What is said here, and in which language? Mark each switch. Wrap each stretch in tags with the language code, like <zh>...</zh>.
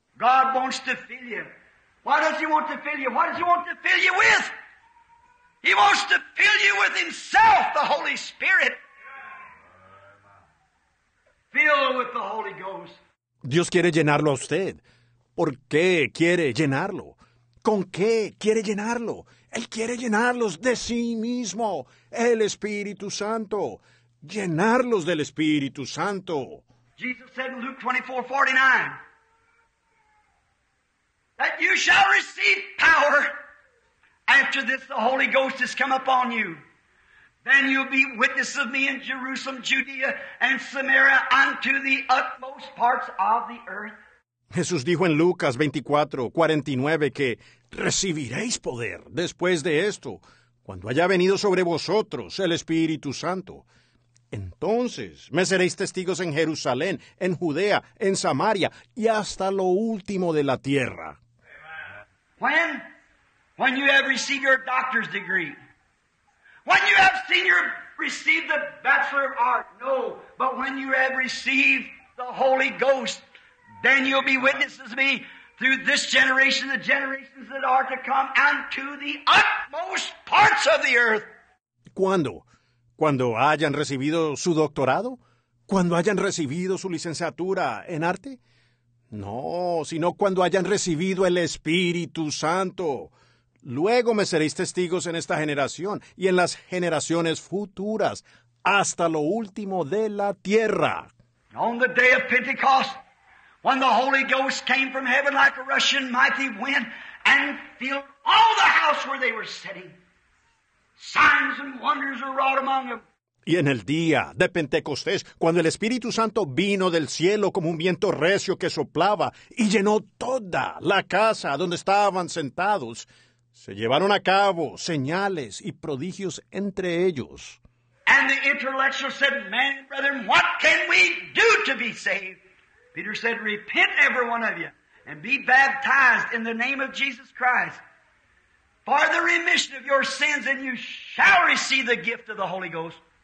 <en>God wants to fill you. Why does he want to fill you? What does he want to fill you with? He wants to fill you with himself, the Holy Spirit. Fill with the Holy Ghost.</en> <es>Dios quiere llenarlo a usted. ¿Por qué quiere llenarlo? ¿Con qué quiere llenarlo? Él quiere llenarlos de sí mismo, el Espíritu Santo. Llenarlos del Espíritu Santo.</es> <en>Jesus said in Luke 24:49, that you shall receive power after this the Holy Ghost has come upon you. Then you'll be witnesses of me in Jerusalem, Judea, and Samaria unto the utmost parts of the earth.</en> <es>Jesús dijo en Lucas 24:49 que recibiréis poder después de esto, cuando haya venido sobre vosotros el Espíritu Santo. Entonces me seréis testigos en Jerusalén, en Judea, en Samaria y hasta lo último de la tierra.</es> <en>When you have received your doctor's degree, when you have seen your received the Bachelor of Art, no, but when you have received the Holy Ghost, then you'll be witnesses of me through this generation, the generations that are to come, and to the utmost parts of the earth.</en> <es>¿Cuándo? ¿Cuando hayan recibido su doctorado? ¿Cuando hayan recibido su licenciatura en arte? No, sino cuando hayan recibido el Espíritu Santo. Luego me seréis testigos en esta generación y en las generaciones futuras, hasta lo último de la tierra.</es> <en>On the day of Pentecost, when the Holy Ghost came from heaven like a rushing mighty wind and filled all the house where they were sitting, signs and wonders were wrought among them.</en> <es>Y en el día de Pentecostés, cuando el Espíritu Santo vino del cielo como un viento recio que soplaba y llenó toda la casa donde estaban sentados, se llevaron a cabo señales y prodigios entre ellos.</es> <en>And the intellectual said, man, brethren, what can we do to be saved? Peter said, repent, every one of you, and be baptized in the name of Jesus Christ for the remission of your sins, and you shall receive the gift of the Holy Ghost.</en>